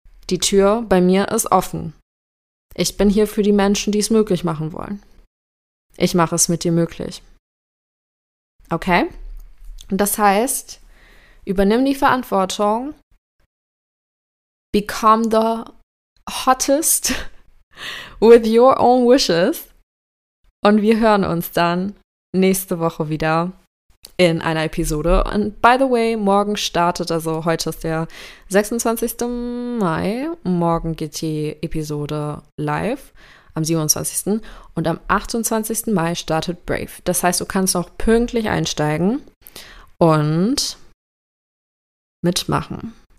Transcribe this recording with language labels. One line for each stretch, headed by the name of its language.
German: Die Tür bei mir ist offen. Ich bin hier für die Menschen, die es möglich machen wollen. Ich mache es mit dir möglich. Okay? Das heißt, übernimm die Verantwortung.
English: Become the hottest with your own wishes.
German: Und wir hören uns dann nächste Woche wieder in einer Episode. Und
English: by the way,
German: morgen startet, also heute ist der 26. Mai, morgen geht die Episode live am 27. Und am 28. Mai startet Brave. Das heißt, du kannst auch pünktlich einsteigen und mitmachen.